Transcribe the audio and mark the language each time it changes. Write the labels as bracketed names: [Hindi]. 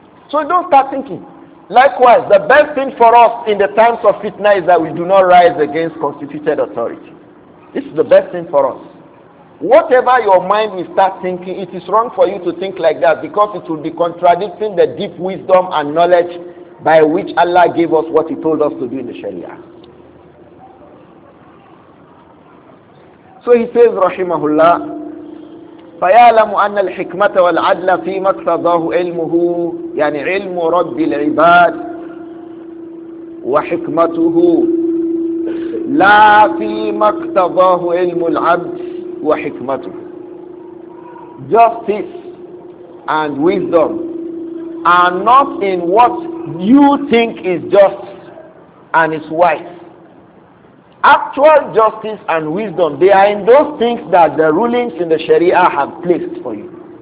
[English] So don't start thinking. Likewise, the best thing for us in the times of fitna is that we do not rise against constituted authority. This is the best thing for us. Whatever your mind will start thinking, it is wrong for you to think like that, because it will be contradicting the deep wisdom and knowledge by which Allah gave us what he told us to do in the Sharia. So he says, [Arabic] Rahimahullah, فَيَعْلَمُ أَنَّ الْحِكْمَةَ وَالْعَدْلَ فِي مَكْتَضَاهُ عِلْمُهُ يعني علم رب العباد وحكمته لا في مكتضاه علم العبد وحكمته. [English] Justice and wisdom are not in what you think is just and is wise. Actual justice and wisdom, they are in those things that the rulings in the Sharia have placed for you.